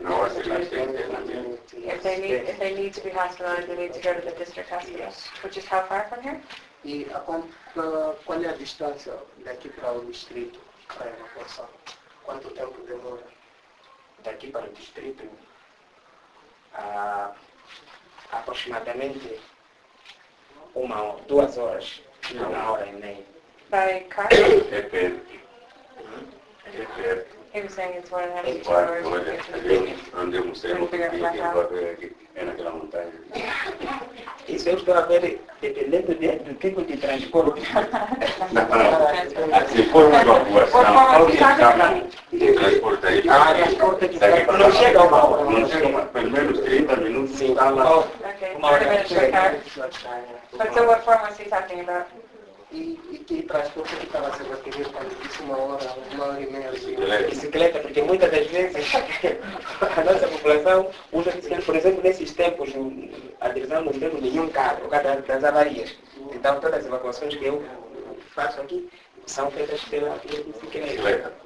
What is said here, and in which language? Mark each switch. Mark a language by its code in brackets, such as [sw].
[en] No, if they need to be hospitalized, they need to go to the district hospital. Yes. Which is how far from here? [pt] E a quanto, qual é a distância daqui para o distrito para a evacuação? Quanto tempo demora daqui para o distrito? Aproximadamente 1-2 horas, não, 1 hora e meia. [en] By car? [pt] É perto. É perto. [en] He was saying it's 1.5 to 2 hours. [pt] Andemos sempre para ver aqui, é naquela montanha. Isso eu estou a ver dependendo do tipo de transporte. Se for uma evacuação, qual é a escala de transporte aí? Ah, transporte de transporte. Não chega 1 hora. Não chega uma, pelo menos 30 minutos. Sim, está lá. [en] Ok, 30 minutes de car. But so what form was he talking about? [pt] E que transporte que estava sendo atendido para isso 1 hora, 1 hora e meia? Bicicleta, porque muitas das vezes a nossa população usa bicicleta. Por exemplo, nesses tempos, a divisão não tem nenhum carro, por causa das avarias. Então, todas as evacuações que eu faço aqui são feitas pela bicicleta.